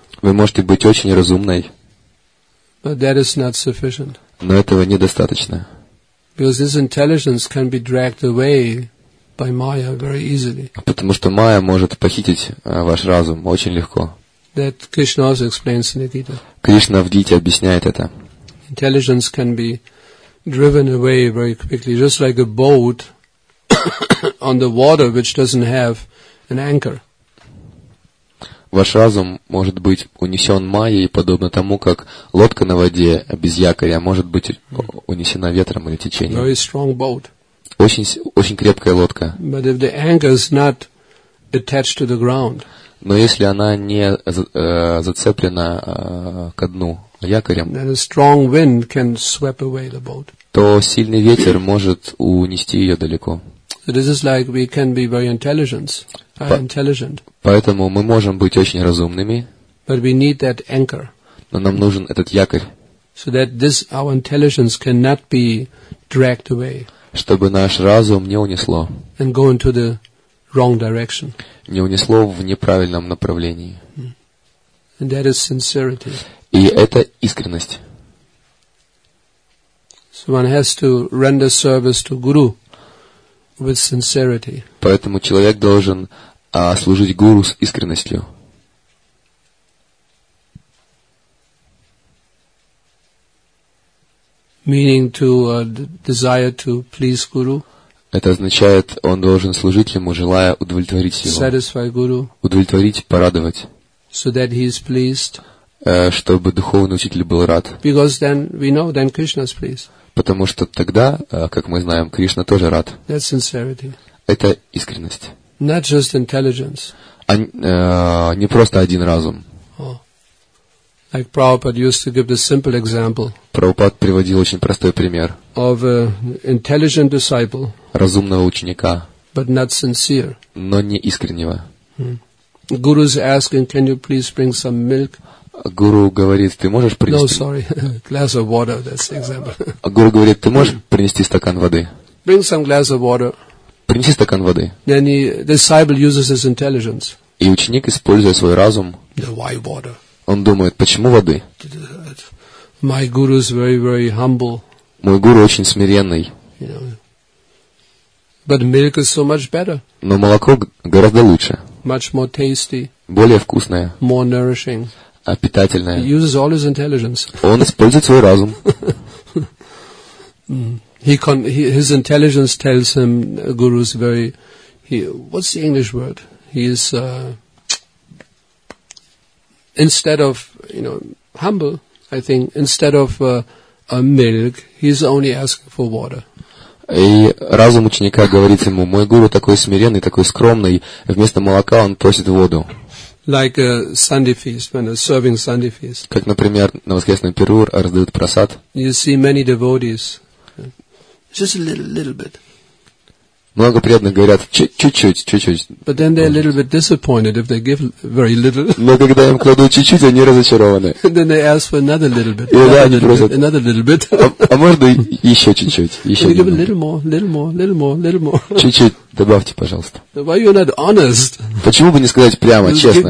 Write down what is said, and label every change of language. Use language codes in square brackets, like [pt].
[ru] Вы можете быть очень разумной. [en] But that is not sufficient. [ru] Но этого недостаточно. [en] Because this intelligence can be dragged away by Maya very easily. [ru] Потому что Майя может похитить ваш разум очень легко. [en] That Krishna also explains in the Gita. [ru] Кришна в Гите объясняет это. [en] Intelligence can be driven away very quickly, just like a boat on the water which doesn't have an anchor. [ru] Ваш разум может быть унесен Майей, подобно тому, как лодка на воде без якоря может быть унесена ветром или течением. [en] Very strong boat. [ru] Очень крепкая лодка. [en] But if the anchor is not attached to the ground, [ru] но если она не зацеплена ко дну якорем, [en] then a strong wind can sweep away the boat. [ru] То сильный ветер может унести ее далеко. [en] So this is like we can be very intelligent, intelligent. [ru] Поэтому мы можем быть очень разумными. [en] But we need that anchor. [ru] Но нам нужен этот якорь. [en] So that this our intelligence cannot be dragged away. [ru] Чтобы наш разум не унесло. [en] And go into the wrong direction. [ru] Не унесло в неправильном направлении. [en] And that is sincerity. [ru] И это искренность. [en] So one has to render service to Guru with sincerity. [ru] Поэтому человек должен служить Гуру с искренностью. [en] Meaning to desire to please Guru. [ru] Это означает, он должен служить ему, желая удовлетворить его. [en] Satisfy Guru. [ru] Удовлетворить, порадовать. [en] So that he is pleased. [ru] Чтобы духовный учитель был рад. [en] Because then we know then Krishna is pleased. [ru] Потому что тогда, как мы знаем, Кришна тоже рад. [en] That's sincerity. [ru] Это искренность. [en] Not just intelligence. [ru] Не просто один разум. [en] Oh. Like Prabhupada used to give the simple example. [ru] Прабхупад приводил очень простой пример. [en] Of an intelligent disciple. [ru] Разумного ученика. [en] But not sincere. [ru] Но не искреннего. [en] Guru is asking, can you please bring some milk? [ru] Гуру говорит, ты можешь принести... [en] No, sorry, glass of water, that's the example. [ru] Гуру говорит, ты можешь принести стакан воды? [en] Bring some glass of water. [ru] Принеси стакан воды. [en] Then the disciple uses his intelligence. [ru] И ученик, используя свой разум, [en] why water? [ru] Он думает, почему воды? [en] My guru is very, very humble. [ru] Мой гуру очень смиренный. [en] But milk is so much better. [ru] Но молоко гораздо лучше. [en] Much more tasty. [ru] Более вкусное. [en] More nourishing. [ru] А питательное. [en] He uses all his intelligence. [ru] Он использует свой разум. [en] His intelligence tells him Guru is very. What's the English word? He is instead of humble. I think instead of a milk, he is only asking for water. [ru] И разум ученика говорит ему: мой гуру такой смиренный, такой скромный. Вместо молока он просит воду. [en] Like a Sunday feast, when they're serving Sunday feast. [ru] Как, например, на воскресном пиру раздают просад. [en] You see many devotees. Just a little bit. [ru] Много преданных говорят, чуть-чуть. [en] But then they're a little bit disappointed if they give very little. [ru] Но когда им кладут чуть-чуть, они разочарованы. [en] Then they ask for another little bit. Another little bit. [ru] А можно еще чуть-чуть? Еще [en] give a little more. [ru] Чуть-чуть добавьте, пожалуйста. [en] Why you're not honest? [ru] Почему бы не сказать прямо, честно?